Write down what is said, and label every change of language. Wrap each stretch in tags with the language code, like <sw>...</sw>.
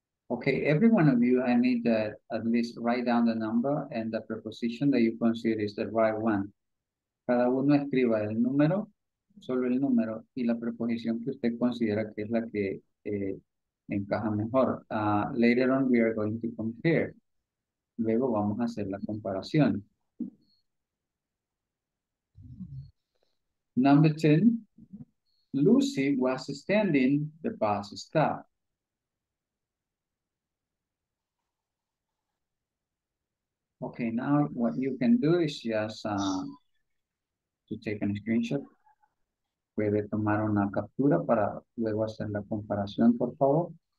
<en>Okay, every one of you, I need that at least write down the number and the preposition that you consider is the right one.</en> <es>Cada uno escriba el número, solo el número, y la preposición que usted considera que es la que encaja mejor.</es> <en>Later on, we are going to compare.</en> <es>Luego vamos a hacer la comparación.</es> <en>Number 10, Lucy was standing the bus stop. Okay, now what you can do is just to take a screenshot.</en> <es>Puede tomar una captura para luego hacer la comparación, por favor.</es>